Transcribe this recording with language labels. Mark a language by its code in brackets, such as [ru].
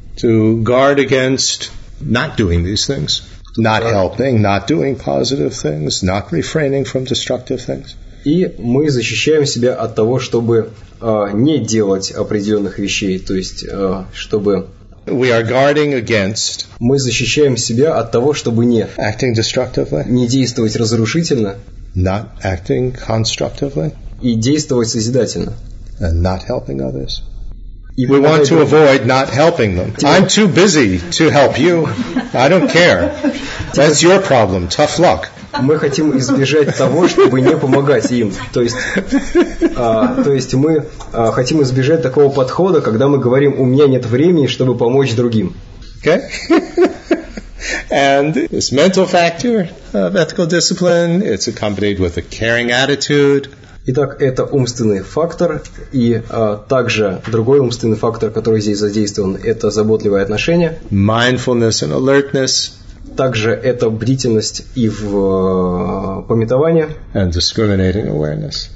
[en] To guard against not doing these things, not helping, not doing positive things, not refraining from destructive things. [ru] И мы защищаем себя от того, чтобы не делать определенных вещей, то есть чтобы... [en] We are guarding against. [ru] Мы защищаем себя от того, чтобы не... [en] Acting destructively. [ru] Не действовать разрушительно. [en] Not acting constructively. [ru] И действовать созидательно. [en] And not helping others. We want to avoid not helping them. I'm too busy to help you. I don't care. That's your problem. Tough luck. [ru] Мы хотим избежать того, чтобы не помогать им. То есть мы хотим избежать такого подхода, когда мы говорим: у меня нет времени, чтобы помочь другим. [en] Okay? And this mental factor of ethical discipline, it's accompanied with a caring attitude. [ru] Итак, это умственный фактор, и также другой умственный фактор, который здесь задействован, это заботливое отношение. [en] Mindfulness and alertness. [ru] Также это бдительность и в памятовании. [en] And discriminating awareness.